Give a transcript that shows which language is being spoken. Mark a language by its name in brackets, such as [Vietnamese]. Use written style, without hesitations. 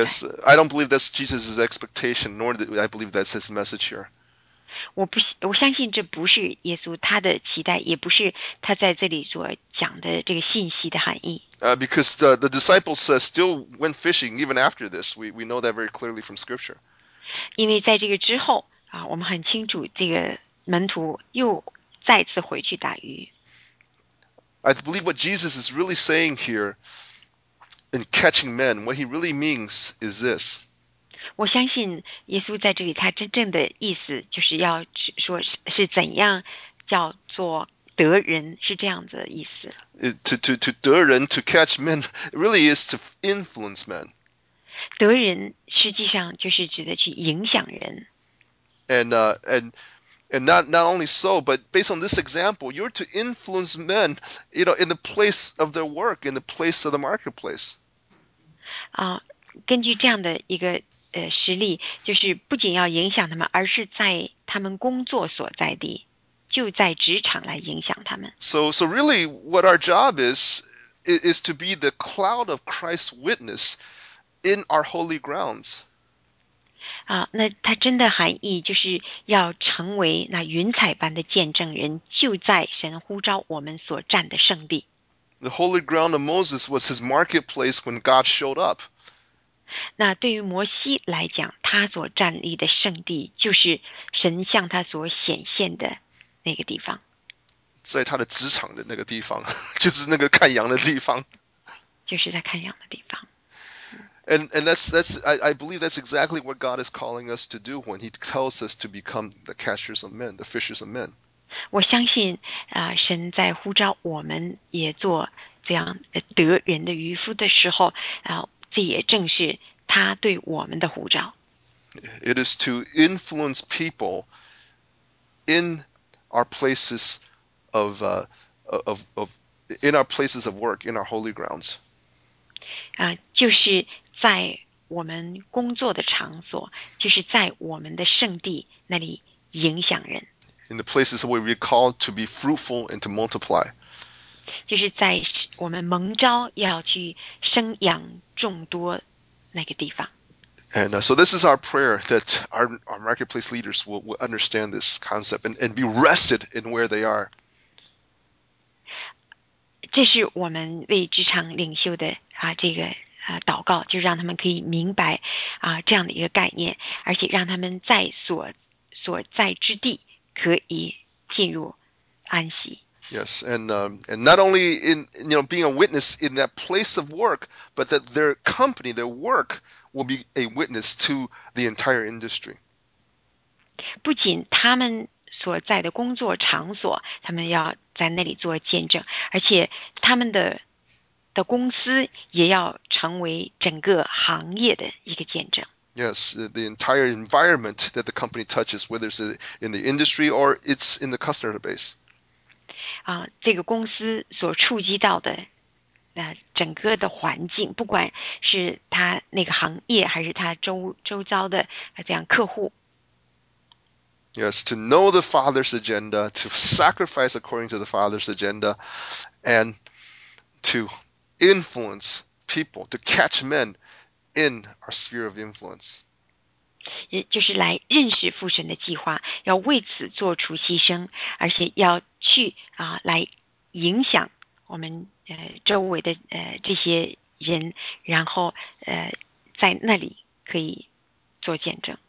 [English] Yes, I don't believe that's Jesus' expectation, nor do I believe that's his message here. [Chinese] 我相信这不是耶稣他的期待，也不是他在这里所讲的这个信息的含义。 [English] Because the disciples still went fishing even after this. We know that very clearly from scripture. [Chinese] 因为在这个之后我们很清楚这个门徒又再次回去打鱼。 [English] I believe what Jesus is really saying here in catching men, what he really means is this. [Chinese] 我相信耶稣在这里他真正的意思就是要说是怎样叫做得人，是这样的意思。 [English] To 得人 to catch men really is to influence men. [Chinese] 得人实际上就是指的去影响人。 [English] And not only so, but based on this example, you're to influence men, you know, in the place of their work, in the place of the marketplace. [Chinese] 根据这样的一个实例，就是不仅要影响他们，而是在他们工作所在地，就在职场来影响他们。 [English] So really, what our job is to be the cloud of Christ's witness. In our holy grounds. [Chinese] 那它真的含义就是要成为那云彩般的见证人，就在神呼召我们所站的圣地。 [English] The holy ground of Moses was his marketplace when God showed up. [Chinese] 那对于摩西来讲，他所站立的圣地就是神向他所显现的那个地方。在他的职场的那个地方，就是那个看羊的地方。就是在看羊的地方。 [English] And that's I believe that's exactly what God is calling us to do when He tells us to become the catchers of men, the fishers of men. [Chinese] 我相信神在呼召我们也做这样得人的渔夫的时候，这也正是他对我们的呼召。 [English] It is to influence people in our places of work, in our holy grounds. [Chinese] 就是在我们工作的场所，就是在我们的圣地那里影响人。 [English] In the places where we call to be fruitful and to multiply. [Chinese] 就是在我们蒙召要去生养众多那个地方。 [English] And so this is our prayer that our marketplace leaders will understand this concept and be rested in where they are. [Chinese] 这是我们为职场领袖的这个祷告，就让他们可以明白这样的一个概念，而且让他们在所在之地可以进入安息。 [English] Yes, and not only in being a witness in that place of work, but that their company, their work, will be a witness to the entire industry. [Chinese] 不仅他们所在的工作场所，他们要在那里做见证，而且他们的公司也要成为整个行业的一个见证。 [English] Yes, the entire environment that the company touches, whether it's in the industry or it's in the customer base. [Chinese] 这个公司所触及到的整个的环境，不管是他那个行业还是他周遭的这样客户。 [English] Yes, to know the Father's agenda, to sacrifice according to the Father's agenda, and to influence people, to catch men in our sphere of influence. [Chinese] 也就是来认识父神的计划，要为此做出牺牲，而且要去来影响我们周围的这些人，然后在那里可以做见证。